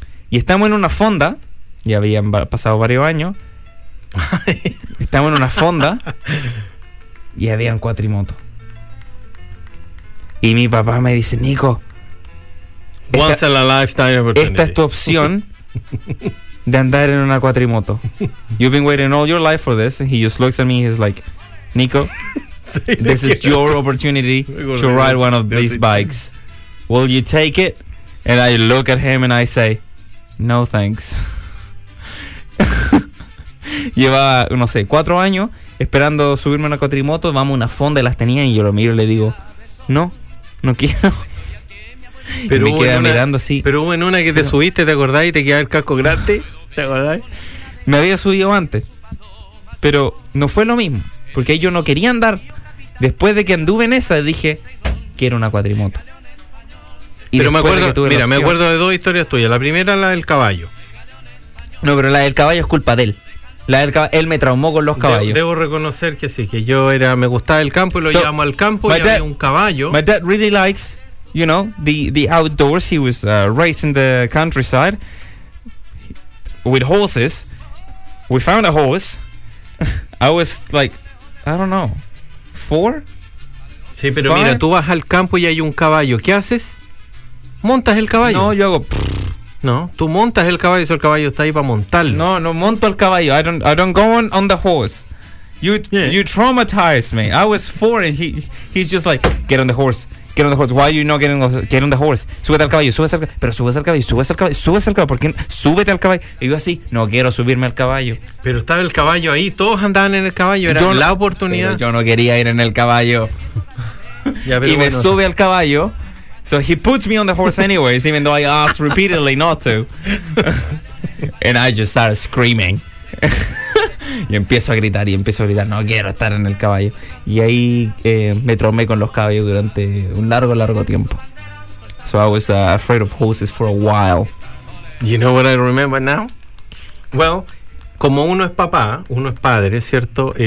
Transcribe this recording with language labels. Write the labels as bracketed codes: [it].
[es] Y estamos en una fonda, ya habían pasado varios años. Estamos en una fonda... Y habían cuatrimotos. Y mi papá me dice, Nico, [en] once in a lifetime opportunity. [es] Esta es tu opción de andar en una cuatrimoto. [en] You've been waiting all your life for this. And he just looks at me and he's like, Nico, sí, this is your opportunity to ride one of these bikes. Will you take it? And I look at him and I say, no thanks. [es] Lleva, no sé, 4 años esperando subirme a una cuatrimoto. Vamos a una fonda y las tenía. Y yo lo miro y le digo, no quiero. Pero me queda mirando así. Pero hubo en una que te subiste, ¿te acordás? Y te quedaba el casco grande, ¿te acordás? Me había subido antes, pero no fue lo mismo, porque yo no quería andar. Después de que anduve en esa, dije, que era una cuadrimoto. Y pero me acuerdo, mira, me acuerdo de dos historias tuyas. La primera, la del caballo. No, pero la del caballo es culpa de él. La del caballo, él me traumó con los caballos. Debo reconocer que sí, que yo era, me gustaba el campo y lo llamo al campo y había un caballo. [en] My dad really likes, you know, the outdoors. He was racing the countryside with horses. We found a horse. I was like, I don't know, 4? [es] Sí, pero 5? Mira, tú vas al campo y hay un caballo. ¿Qué haces? ¿Montas el caballo? No, yo hago... Pff. No, tú montas el caballo y el caballo está ahí para montarlo. No, no monto el caballo. [en] I don't go on the horse. You traumatize me. I was 4 and he's just like, get on the horse. Get on the horse. Why are you not getting on the horse? Get on the horse. [es] Súbete al caballo, súbete al caballo. Pero súbete al caballo, súbete al caballo, súbete al caballo. ¿Por qué? Súbete al caballo. Y yo así, no quiero subirme al caballo. Pero estaba el caballo ahí, todos andaban en el caballo. Era la oportunidad. Yo no quería ir en el caballo. Ya, y bueno, me sube al caballo. [en] So he puts me on the horse anyways, even though I asked repeatedly not to. And I just started screaming. Y empiezo a gritar y empiezo a gritar, no quiero estar en el caballo. Y ahí me traumé con los caballos durante un largo, largo tiempo. So I was afraid of horses for a while. You know what I remember now? [es] Well, como uno es papá, uno es padre, ¿cierto?